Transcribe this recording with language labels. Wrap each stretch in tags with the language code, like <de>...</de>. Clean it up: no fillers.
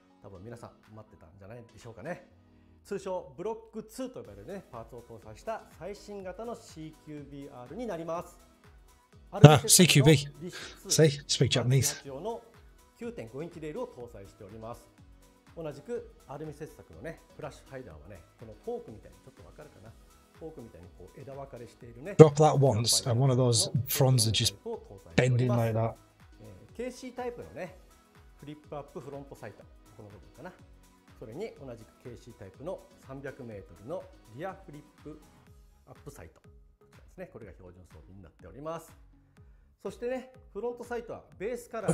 <ja>多分皆さん待ってたんじゃないでしょうかね。通称ブロック2と呼ばれる、ね、パーツを搭載した最新型の CQBR になります。</ja> <en>ああ CQB Say, speak Japanese</en> <ja>9.5 インチレールを搭載しております。同じくアルミ切削の、ね、フラッシュハイダーは、ね、このフォークみたいにちょっとわかるかな。フォークみたいにこう枝分かれしているね。</ja> <en>Drop that once and one of those fronts are just bending like that</en> <ja>KC タイプのねフリップアップフロントサイト、この部分かな。それに同じく KC タイプの 300m のリアフリップアップサイトですね。これが標準装備になっております。そしてねフロントサイトはベースカラー</ja>